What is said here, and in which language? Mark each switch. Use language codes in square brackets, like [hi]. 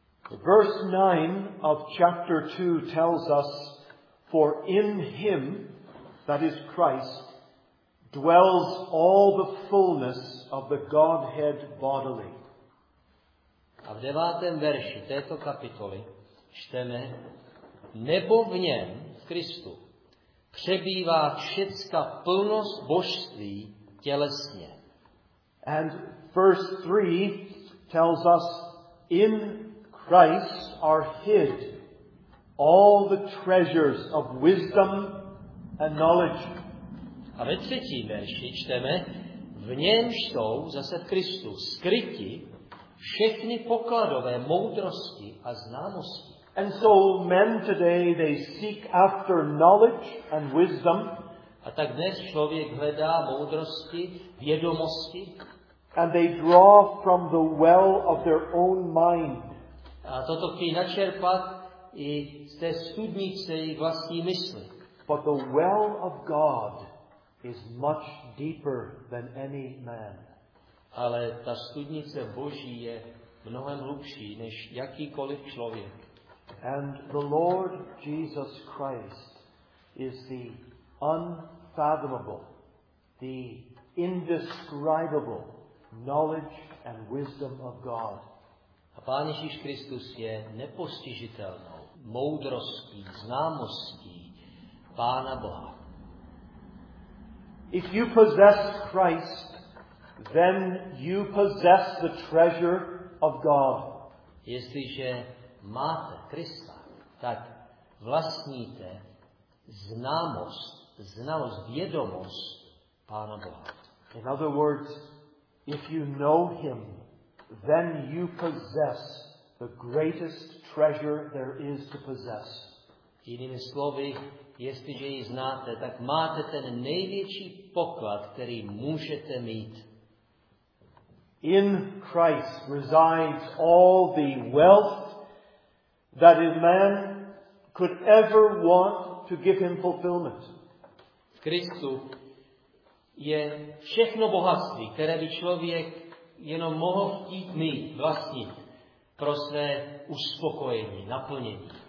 [en] Verse 9 of chapter 2 tells us, for in him, that is Christ, dwells all the fullness of the Godhead bodily. [cs] A v 9. verši této kapitoly čteme, nebo v něm, v Kristu, přebývá všecka plnost božství tělesně. [en] And verse 3 tells us, in Christ are hid all the treasures of wisdom and knowledge. [cs] A ve 3. verši čteme, v něm jsou, zase v Kristu, skryti všechny pokladové moudrosti a známosti. [en] And so men today, they seek after knowledge and wisdom. [cs] A tak dnes člověk hledá moudrosti, vědomosti. [en] And they draw from the well of their own mind. [cs] A toto chtějí načerpat i z té studnice jejich vlastní mysli. [en] But the well of God is much deeper than any man. [cs] Ale ta studnice Boží je mnohem hlubší než jakýkoliv člověk. [en] And the Lord Jesus Christ is the unfathomable, the indescribable knowledge and wisdom of God. [cs] A Pán Ježíš Kristus je nepostižitelnou moudrostí, známostí Pána Boha. [en] If you possess Christ, then you possess the treasure of God. [cs] Jestliže máte Krista, tak vlastníte znalost, vědomost Pána Boha. [en] In other words, if you know him, then you possess the greatest treasure there is to possess. [cs] Jinými slovy, jestliže ji znáte, tak máte ten největší poklad, který můžete mít. [en] In Christ resides all the wealth that a man could ever want to give him fulfillment. [cs] V Kristu je všechno bohatství, které by člověk jenom mohl chtít mít vlastně pro své uspokojení, naplnění.